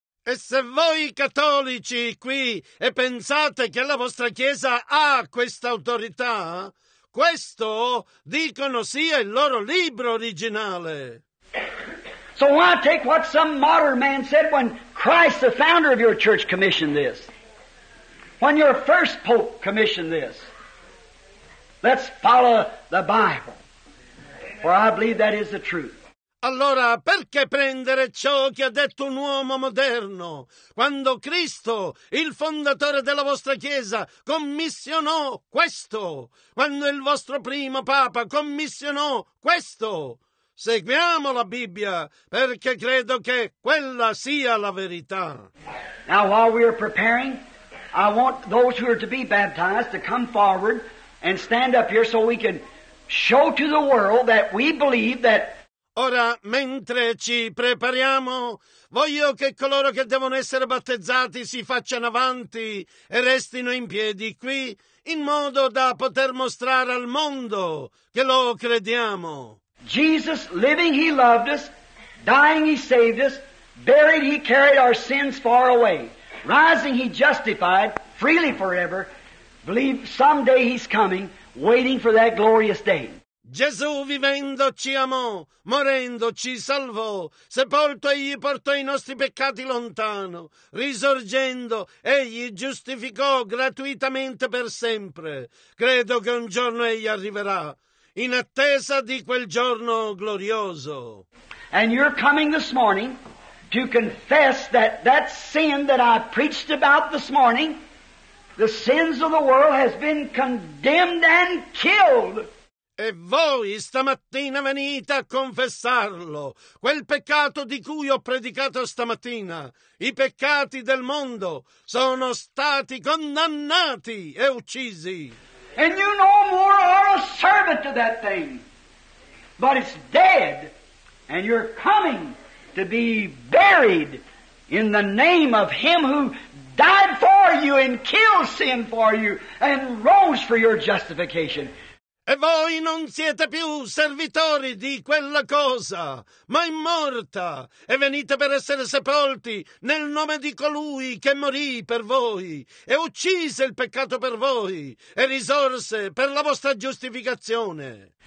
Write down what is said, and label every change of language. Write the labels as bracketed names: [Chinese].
[Italian] E se voi cattolici qui e pensate che la vostra chiesa ha questa autorità, questo dicono sia il loro libro originale. [English] So why take what some modern man said when Christ, the founder of your church, commissioned this? When your first pope commissioned this? Let's follow the Bible, for I believe that is the truth. [Italian] Allora, perché prendere ciò che ha detto un uomo moderno, quando Cristo, il fondatore della vostra Chiesa, commissionò questo, quando il vostro primo Papa commissionò questo? Seguiamo la Bibbia, perché credo che quella sia la verità. [English] Now, while we are preparing, I want those who are to be baptized to come forward and stand up here so we can show to the world that we believe that. [Italian] Ora, mentre ci prepariamo, voglio che coloro che devono essere battezzati si facciano avanti e restino in piedi qui, in modo da poter mostrare al mondo che lo crediamo. [English] Jesus, living, he loved us; dying, he saved us; buried, he carried our sins far away; rising, he justified freely forever. Believe someday he's coming, waiting for that glorious day. [Italian] Gesù vivendo ci amò, morendo ci salvò, sepolto egli portò i nostri peccati lontano, risorgendo egli giustificò gratuitamente per sempre. Credo che un giorno egli arriverà, in attesa di quel giorno glorioso. [English] And you're coming this morning to confess that sin that I preached about this morning, the sins of the world has been condemned and killed. [Italian] E voi stamattina venite a confessarlo, quel peccato di cui ho predicato stamattina. I peccati del mondo sono stati condannati e uccisi. [English] And you no more are a servant to that thing, but it's dead, and you're coming to be buried in the name of Him who died for you and killed sin for you and rose for your justification. [Italian] E voi non siete più servitori di quella cosa, ma è morta e venite per essere sepolti nel nome di colui che morì per voi e uccise il peccato per voi e risorse per la vostra giustificazione.